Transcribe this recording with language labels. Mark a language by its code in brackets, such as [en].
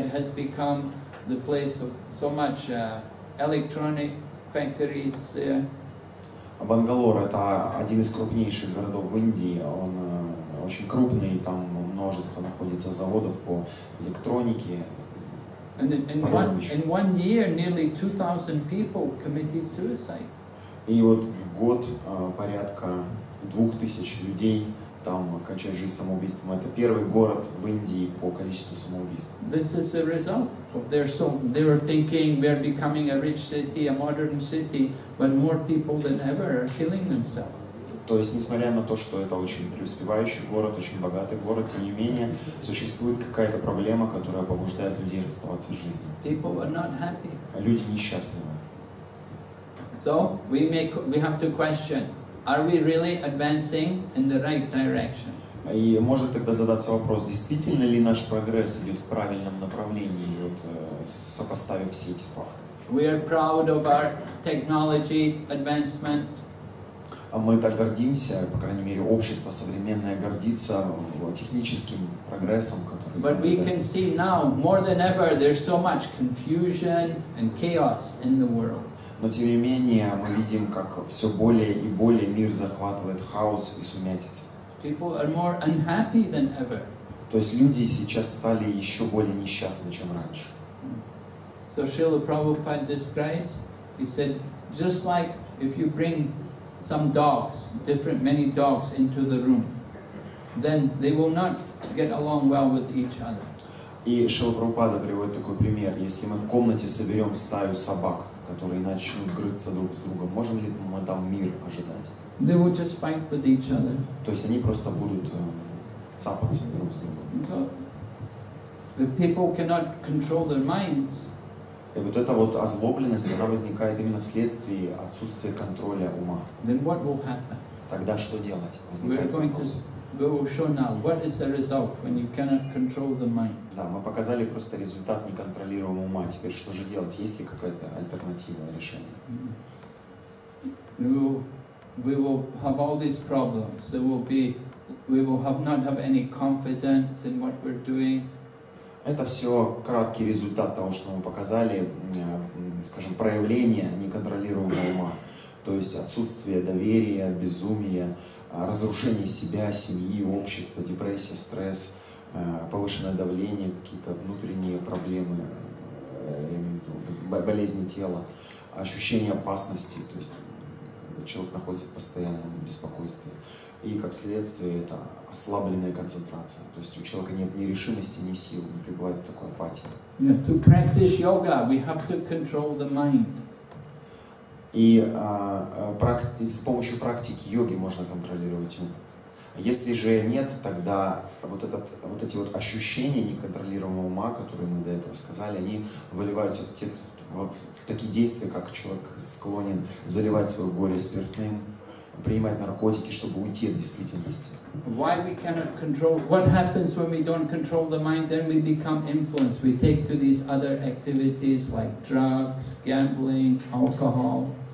[en] It has become the place of so much electronic factories. [ru] Бангалор это один из крупнейших городов в Индии. Он очень крупный, там множество находится заводов по электронике. [en] In one year, nearly 2,000 people committed suicide. [ru] И вот в год порядка 2,000 людей там кончают жизнь самоубийством. Это первый город в Индии по количеству самоубийств. [en] This is the result of their so they were thinking we're becoming a rich city, a modern city, but more people than ever are killing themselves. [ru] То есть, несмотря на то, что это очень преуспевающий город, очень богатый город, тем не менее, существует какая-то проблема, которая побуждает людей расставаться с жизнью. [en] People are not happy. [ru] Люди несчастливы. [en] So we have to question. Are we really advancing in the right direction? [ru] И может тогда задаться вопрос, действительно ли наш прогресс идет в правильном направлении, вот, сопоставив все эти факты. [en] We are proud of our technology advancement. [ru] Мы так гордимся, по крайней мере, общество современное гордится техническим прогрессом, который... [en] But we can see now, more than ever, there's so much confusion and chaos in the world. [ru] Но тем не менее, мы видим, как все более и более мир захватывает хаос и сумятица. [en] People are more unhappy than ever. [ru] То есть люди сейчас стали еще более несчастны, чем раньше. [en] So Srila Prabhupada describes, he said, just like if you bring some dogs, different many dogs into the room, then they will not get along well with each other. [ru] И Шрила Прабхупада приводит такой пример. Если мы в комнате соберем стаю собак, которые начнут грызться друг с другом, можем ли мы там мир ожидать? [en] They will just fight with each other. [ru] То есть они просто будут цапаться друг с другом. [en] So, if people cannot control their minds, [ru] и вот эта вот озлобленность, она возникает именно вследствие отсутствия контроля ума. [en] Then what will happen? [ru] Тогда что делать? [en] We will show now what is the result when you cannot control the mind. [ru] Да, мы показали просто результат неконтролируемого ума. Теперь что же делать? Есть ли какая-то альтернативное решение? [en] We will have all these problems. We will not have any confidence in what we're doing. [ru] Это все краткий результат того, что мы показали, скажем, проявление неконтролируемого ума, то есть отсутствие доверия, безумие, разрушение себя, семьи, общества, депрессия, стресс, повышенное давление, какие-то внутренние проблемы, я имею в виду, болезни тела, ощущение опасности, то есть человек находится в постоянном беспокойстве. И как следствие это ослабленная концентрация. То есть у человека нет ни решимости, ни сил, не пребывает в такой апатии. [en] Yeah, to practice yoga, we have to control the mind. [ru] И с помощью практики йоги можно контролировать ум. Если же нет, тогда эти ощущения неконтролируемого ума, которые мы до этого сказали, они выливаются в такие действия, как человек склонен заливать свое горе спиртным, принимать наркотики, чтобы уйти от действительности. [en] Why we cannot control? What happens when we don't control the mind? Then we become influenced. We take to these other activities like drugs, gambling, alcohol.